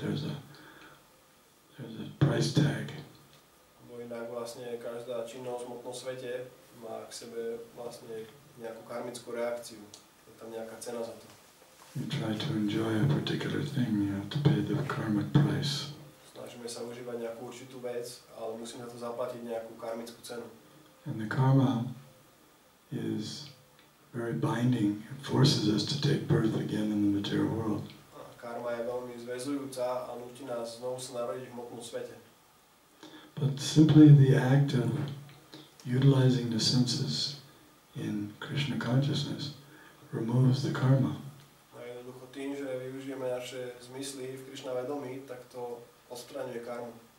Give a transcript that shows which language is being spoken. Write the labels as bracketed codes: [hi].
[en] There's a price tag. [sk] Bo inak vlastne každá činnosť v hmotnom svete má k sebe vlastne nejakú karmickú reakciu. Je tam nejaká cena za to. [en] You try to enjoy a particular thing, you have to pay the karmic price. [sk] Snažíme sa užívať nejakú určitú vec, ale musíme na to zaplatiť nejakú karmickú cenu. [en] And the karma is very binding, it forces us to take birth again in the material world. [sk] Karma je veľmi zväzujúca a nutí nás znovu sa narodiť v hmotnom svete. [en] But simply the act of utilizing the senses in Krishna consciousness removes the karma. [sk] A jednoducho tým, že využijeme naše zmysly v Krishna vedomí, tak to odstraňuje karmu.